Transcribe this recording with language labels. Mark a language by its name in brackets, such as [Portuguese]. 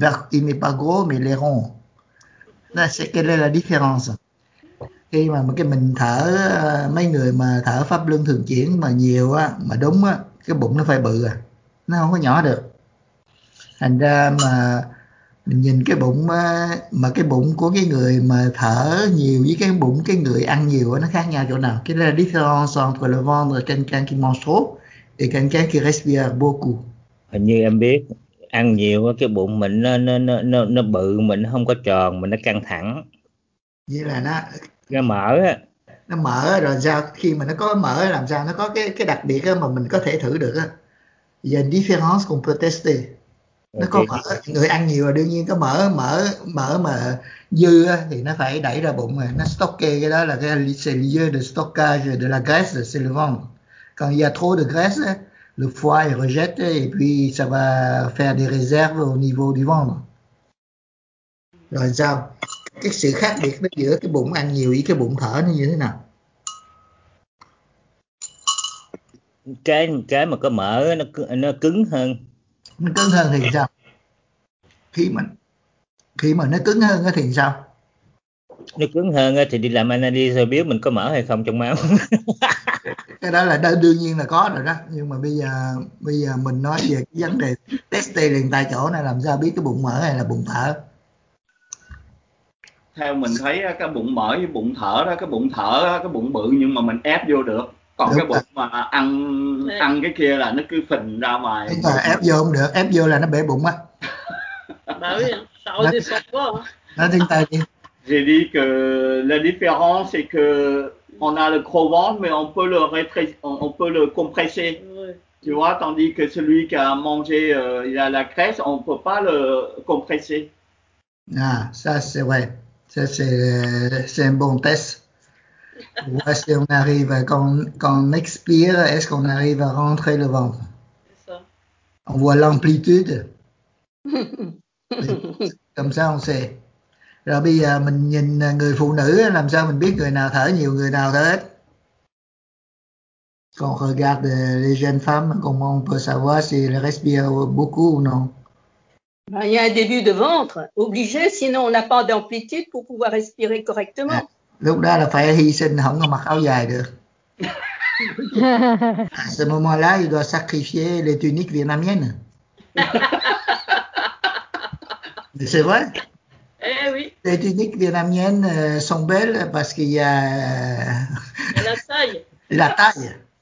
[French] Il n'est pas gros mais il est rond. Là c'est quelle est la différence? [Vietnamese] Khi mà cái mình thở, mấy người mà thở pháp luân thường chuyển mà nhiều á, mà đúng á, cái bụng nó phải bự à, nó không có nhỏ được. Thành ra mà mình nhìn cái bụng mà cái bụng của cái người mà thở nhiều với cái bụng cái người ăn nhiều nó khác nhau chỗ nào? Cái là [French] différence entre le ventre quelqu'un qui mange trop et quelqu'un qui respire beaucoup. [Vietnamese] Hình như em biết ăn nhiều á, cái bụng mình nó bự, mình không có tròn, mình nó căng thẳng. Vậy là nó mở á. Nó mở rồi sao, khi mà nó có mở làm sao nó có cái đặc biệt mà mình có thể thử được á. [French] Il y a une différence qu'on peut tester. [Vietnamese] Nó có mỡ, người ăn nhiều là đương nhiên có mỡ, mỡ, mỡ mà dư thì nó phải đẩy ra bụng rồi, nó stocker cái đó là cái [French] lieu de stockage de la graisse, c'est le ventre. Quand il y a trop de graisse, le foie il rejette et puis ça va faire des réserves au niveau du ventre. [Vietnamese] Rồi sao? Cái sự khác biệt giữa cái bụng ăn nhiều với cái bụng thở nó như thế nào? Cái mà có mỡ nó cứng hơn. Nó cứng hơn thì sao? Khi mà nó cứng hơn thì sao? Nó cứng hơn thì đi làm analyze rồi biết mình có mỡ hay không trong máu. Cái đó là đương nhiên là có rồi đó. Nhưng mà bây giờ mình nói về cái vấn đề test liền tại chỗ này, làm sao biết cái bụng mỡ hay là bụng thở? Theo mình thấy cái bụng mỡ với bụng thở đó, cái bụng thở đó, cái bụng bự nhưng mà mình ép vô được. Còn đúng cái bụng mà ăn cái kia là nó cứ phình ra ngoài. Đúng rồi, ép vô không được, ép vô là nó bể bụng á. Bởi sao thì sụp quá. Nói tiếng Tây đi. [French] J'ai dit que la différence c'est que on a le gros ventre mais on peut le compresser. Tu vois, tandis que celui qui a mangé, il a la graisse, on peut pas le compresser. Ah, ça c'est vrai. Ça c'est un bon test. Ouais, si on arrive quand on expire, est-ce qu'on arrive à rentrer le ventre? C'est ça. On voit l'amplitude. Comme ça, on sait. [Vietnamese] Rồi bây giờ mình nhìn người phụ nữ, làm sao mình biết người nào thở nhiều, người nào thở ít? [French] Quand on regarde les jeunes femmes, comment on peut savoir si elles respirent beaucoup ou non? Il y a un début de ventre, obligé, sinon on n'a pas d'amplitude pour pouvoir respirer correctement. Ouais. [Vietnamese] Lúc đó là phải hy sinh, không có mặc áo dài được. [French] À ce moment-là, il doit sacrifier les tuniques vietnamiennes. Mais c'est vrai? Eh oui. Les tuniques vietnamiennes sont belles parce qu'il y a... La taille. La taille.